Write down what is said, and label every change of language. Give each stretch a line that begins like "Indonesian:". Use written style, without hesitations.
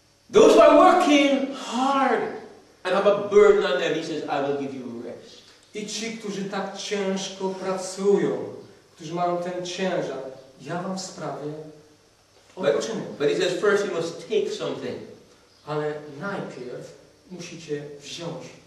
English: Those who are working hard and have a burden on them, he says, I will give you rest.
Polish: I ci, którzy tak ciężko pracują, którzy mają ten ciężar, ja wam sprawię odpoczynek.
English: But he says, first you must take something.
Polish: Ale najpierw musicie wziąć.